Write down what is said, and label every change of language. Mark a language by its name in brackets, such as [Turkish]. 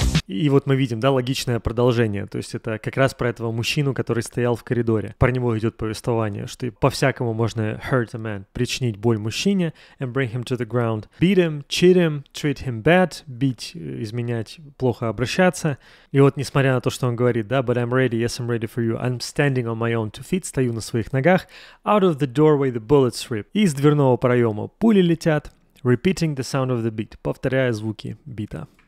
[Russian] И вот мы видим, да, логичное продолжение. То есть это как раз про этого мужчину, который стоял в коридоре. Про него идет повествование, что по-всякому можно [English] hurt a man, [Russian] причинить боль мужчине, [English] and bring him to the ground. Beat him, cheat him, treat him bad, [Russian] бить, изменять, плохо обращаться. И вот несмотря на то, что он говорит, да, [English] but I'm ready, yes, I'm ready for you, I'm standing on my own two feet, [Russian] стою на своих ногах, [English] out of the doorway the bullets rip. [Russian] И из дверного проема пули летят, [English] repeating the sound of the beat, [Russian] повторяя звуки бита.